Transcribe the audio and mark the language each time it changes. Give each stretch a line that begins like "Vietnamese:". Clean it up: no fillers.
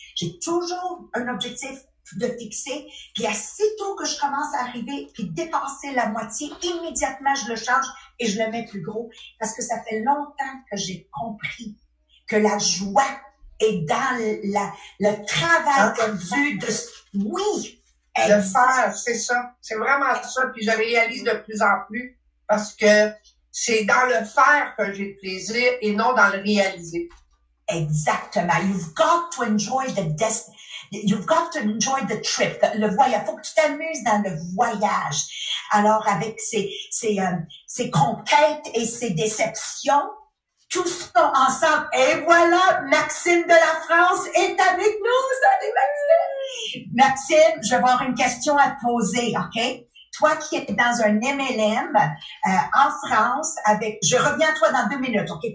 French: J'ai toujours un objectif de fixer, puis aussitôt que je commence à arriver, puis dépasser la moitié, immédiatement, je le change et je le mets plus gros, parce que ça fait longtemps que j'ai compris que la joie est dans le travail perdu de... Oui! De faire, c'est ça. C'est vraiment ça, puis je réalise de plus en plus, parce que c'est dans le faire que j'ai plaisir et non dans le réaliser. Exactement.
English: You've got to enjoy the You've got to enjoy the trip.
French: Le voyage. Faut que tu t'amuses dans le voyage. Alors, avec ses conquêtes et ses déceptions, tout ça ensemble. Et voilà, Maxime de la France est avec nous. Salut, Maxime! Maxime, je vais avoir une question à te poser, OK? Toi qui es dans un MLM en France, avec, je reviens à toi dans 2 minutes, OK?